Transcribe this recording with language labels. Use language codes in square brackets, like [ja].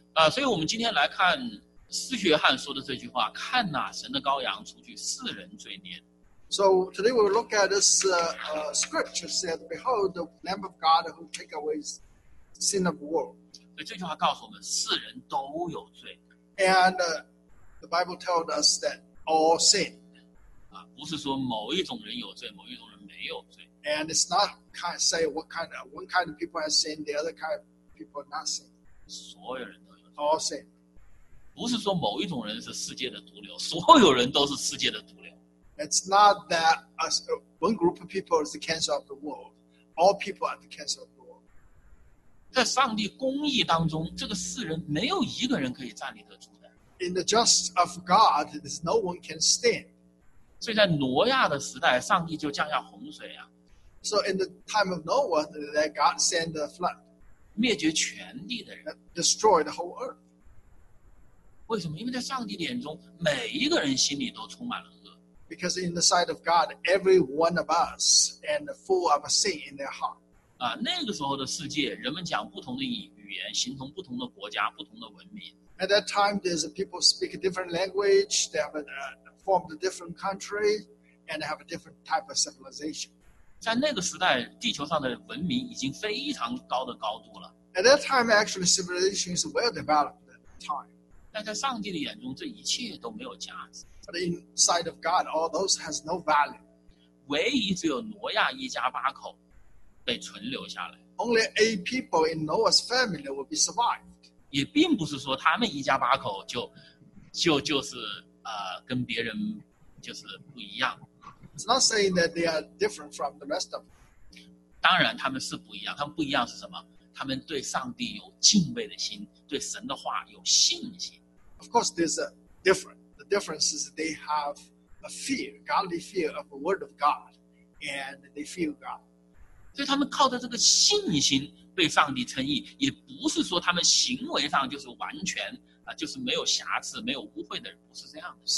[zh] 所以我们今天来看司约翰说的这句话，看哪、神的羔羊除去世人罪孽。 [en] So today we'll look at this scripture said, Behold the Lamb of God who take away sin of world. [zh] 所以这句话告诉我们，世人都有罪。 [en] And the Bible tells us that all sin. [zh] 啊，不是说某一种人有罪，某一种人没有罪。 [en] And it's not kind of say what kind of one kind of people has sin, the other kind of people not sin. [zh] 所有人都有罪。 [en] All sin. [zh] 不是说某一种人是世界的毒瘤，所有人都是世界的毒瘤。 [en] It's not that us, one group of people is the cancer of the world. All people are the cancer of the world. [zh] 在上帝公义当中，这个世人没有一个人可以站立得住的。 [en] In the justice of God, there's no one can stand. [zh] 所以在挪亚的时代，上帝就降下洪水啊。 [en] So in the time of Noah, that God sent the flood. [zh] 灭绝全地的人。 [en] Destroy the whole earth. [zh] 为什么？因为在上帝眼中，每一个人心里都充满了。 [en] Because in the sight of God, every one of us and full of sin in their heart. [zh] 啊，那个时候的世界，人们讲不同的语言，形同不同的国家，不同的文明。 [en] At that time, there's people speak a different language. They have formed a different country, and have a different type of civilization. [zh] 在那个时代，地球上的文明已经非常高的高度了。 [en] At that time, actually, civilization is well developed at the time. [zh] 但在上帝的眼中，这一切都没有价值。 [en] But inside of God, all those has no value. [zh] 唯一只有挪亚一家八口被存留下来。 [en] Only eight people in Noah's family will be survived. [zh] 也并不是说他们一家八口就是跟别人就是不一样。 [en] It's not saying that they are different from the rest of them. [zh] 当然他们是不一样，他们不一样是什么？他们对上帝有敬畏的心，对神的话有信心。 [en] Of course, there's a difference. The difference is they have a fear, godly fear of the word of God, and they fear God. [zh] 所以他们靠着这个信心被上帝称义，也不是说他们行为上就是完全啊，就是没有瑕疵、没有污秽的人，不是这样的。